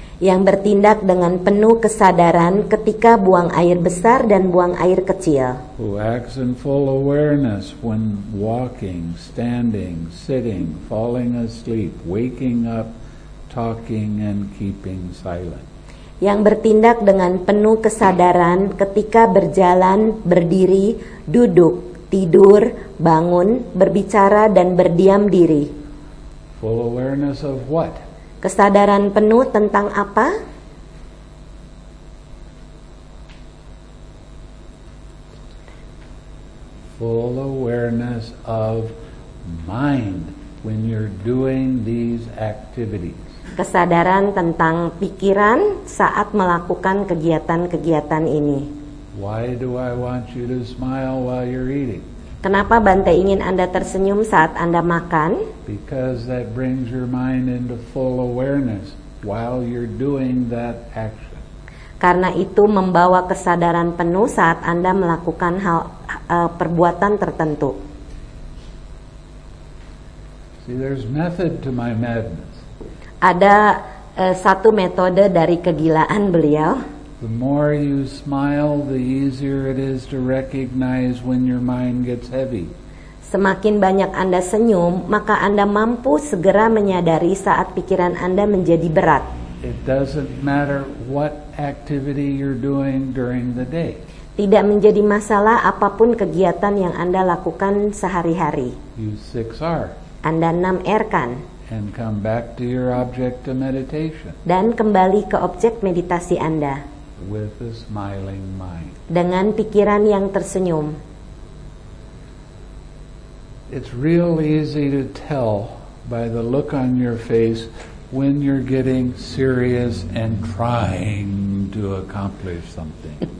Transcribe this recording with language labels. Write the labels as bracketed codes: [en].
[id] Yang bertindak dengan penuh kesadaran ketika buang air besar dan buang air kecil. [en] Who acts in full awareness when walking, standing, sitting, falling asleep, waking up, talking and keeping silent. [id] Yang bertindak dengan penuh kesadaran ketika berjalan, berdiri, duduk, tidur, bangun, berbicara dan berdiam diri. [en] Full awareness of what? [id] Kesadaran penuh tentang apa? [en] Full awareness of mind, when you're doing these activities. [id] Kesadaran tentang pikiran saat melakukan kegiatan-kegiatan ini. [en] Why do I want you to smile while you're eating? [id] Kenapa Bante ingin Anda tersenyum saat Anda makan? [en] Because that brings your mind into full awareness while you're doing that action. [id] Karena itu membawa kesadaran penuh saat Anda melakukan hal perbuatan tertentu. [en] See, there's method to my madness. [id] Ada satu metode dari kegilaan beliau. [en] The more you smile, the easier it is to recognize when your mind gets heavy. [id] Semakin banyak Anda senyum, maka Anda mampu segera menyadari saat pikiran Anda menjadi berat. [en] It doesn't matter what activity you're doing during the day. [id] Tidak menjadi masalah apapun kegiatan yang Anda lakukan sehari-hari. [en] Use 6R. [id] Anda 6R kan? [en] And come back to your object of meditation. [id] Dan kembali ke objek meditasi Anda. [en] With a smiling mind. [id] Dengan pikiran yang tersenyum. [en] It's real easy to tell by the look on your face when you're getting serious and trying to accomplish something.